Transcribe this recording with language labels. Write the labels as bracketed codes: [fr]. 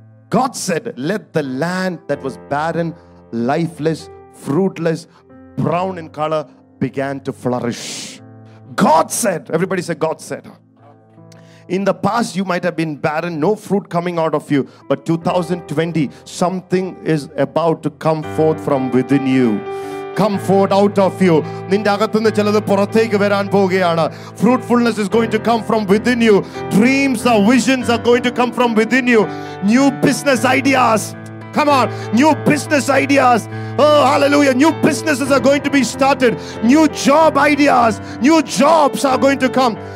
[en] God said, let the land that was barren, lifeless, fruitless, brown in color, began to flourish. God said, everybody say, God said. In the past, you might have been barren, no fruit coming out of you. But 2020, something is about to come forth from within you. Come forth out of you. [ml] നിന്റെ അകത്തുനിന്ന് ചിലത് പുറത്തേക്ക് വരാൻ പോവുകയാണ്. [en] Fruitfulness is going to come from within you. Dreams or visions are going to come from within you. New business ideas. Come on, new business ideas. Oh, hallelujah. New businesses are going to be started. New job ideas. New jobs are going to come.